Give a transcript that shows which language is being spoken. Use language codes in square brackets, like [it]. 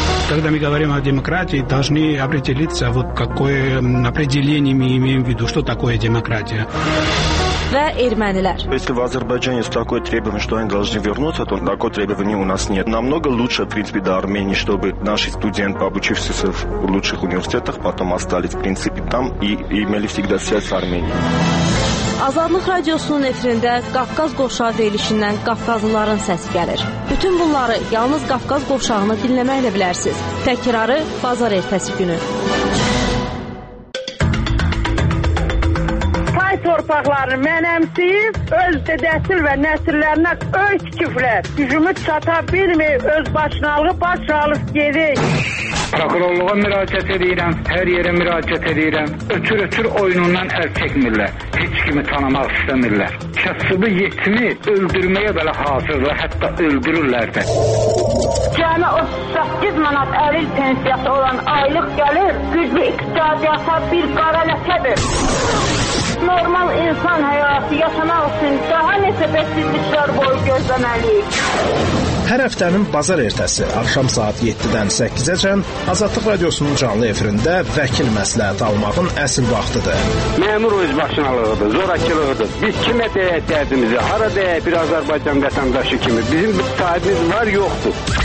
[ru] Когда мы говорим о демократии, должны определиться, вот какое определение мы имеем в виду, что такое демократия. [az] ve ermeniler. [ru] Если в Азербайджане есть такое требование, что они должны вернуться, то такого требования у нас нет. Намного лучше, в принципе, до Армении, чтобы наши студенты, обучившиеся в лучших университетах, потом остались, в принципе, там и имели всегда связь с Арменией. [az] Azadlıq Radiosunun efirində Qafqaz Qovşağı deyilişindən Qafqazlıların səsi gəlir. Bütün bunları yalnız Qafqaz Qovşağını dinləməklə bilərsiniz. Təkrarı bazar ertəsi günü. Tay torpaqları mənəmsiz, öz dedəsil və nəsillərinə öz küflər. Gücümüz çata bilmir, öz başınalığı başalıq gedir. Prokurorluğa müraciət edirəm, hər yerə müraciət edirəm. Ötür-ötür oyunundan əl çəkmirlər, heç kimi tanımaq istəmirlər. Kəsibi yetimi öldürməyə belə hazırlar, hətta öldürürlər də. Cəmi 38 manat əlil pensiyası olan aylıq gəlir, güclü iqtisadiyyata bir qara ləkədir. Normal insan həyatı yaşamaq üçün daha necə bəsizliklər boyu gözləməliyik. Hər həftənin bazar ertəsi axşam saat 7-dən 8-əcən Azadlıq Radiosunun canlı efirində vəkil məsləhəti almağın əsl vaxtıdır. Məmur öz başınalığıdır, zorakılığıdır. Biz kimə deyək dərdimizi, hara deyək bir Azərbaycan vətəndaşı kimi? Bizim bir sahibimiz var, yoxdur.